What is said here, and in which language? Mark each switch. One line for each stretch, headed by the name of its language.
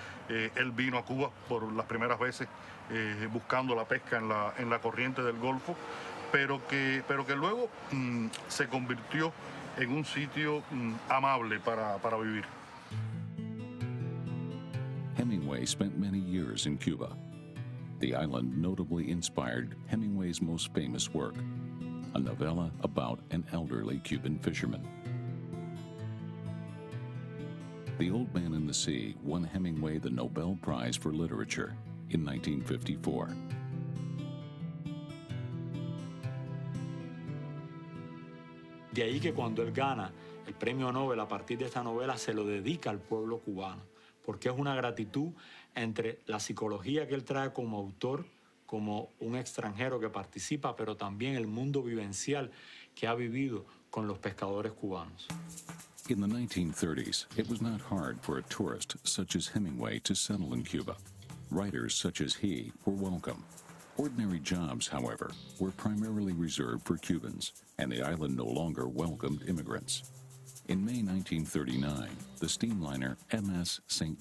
Spanish: Él vino a Cuba por las primeras veces buscando la pesca en la corriente del Golfo, pero que luego se convirtió en un sitio amable para vivir.
English: Hemingway spent many years in Cuba. The island notably inspired Hemingway's most famous work, a novella about an elderly Cuban fisherman. The Old Man and the Sea won Hemingway the Nobel Prize for Literature in 1954.
Spanish: De ahí que cuando él gana el premio Nobel a partir de esta novela, se lo dedica al pueblo cubano, porque es una gratitud entre la psicología que él trae como autor, como un extranjero que participa, pero también el mundo vivencial que ha vivido con los pescadores cubanos.
English: In the 1930s, it was not hard for a tourist such as Hemingway to settle in Cuba. Writers such as he were welcome. Ordinary jobs, however, were primarily reserved for Cubans, and the island no longer welcomed immigrants. In May 1939, the steam liner MS St.